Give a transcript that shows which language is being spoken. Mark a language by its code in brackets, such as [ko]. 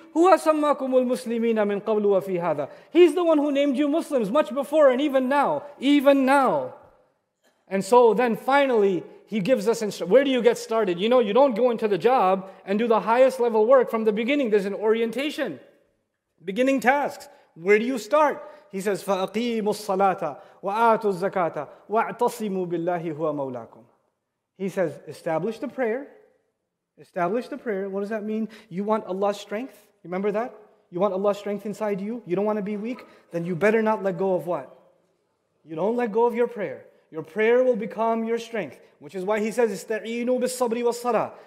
[ar] هُوَ سَمَّاكُمُ الْمُسْلِمِينَ مِنْ قَبْلُ وَفِي هَذَا. [en] He's the one who named you Muslims much before and even now. Even now. And so then finally, he gives us instructions. Where do you get started? You know, you don't go into the job and do the highest level work from the beginning. There's an orientation. Beginning tasks. Where do you start? He says, [ar] فَأَقِيمُ الصَّلَاةَ وَآتُ الزَّكَاةَ وَاعْتَصِمُوا بِاللَّهِ هُوَ مَوْلَاكُمْ. [en] He says, establish the prayer. Establish the prayer. What does that mean? You want Allah's strength? Remember that? You want Allah's strength inside you? You don't want to be weak? Then you better not let go of what? You don't let go of your prayer. Your prayer will become your strength, which is why he says, [ar] "Ista'inu bis-sabri was-salah."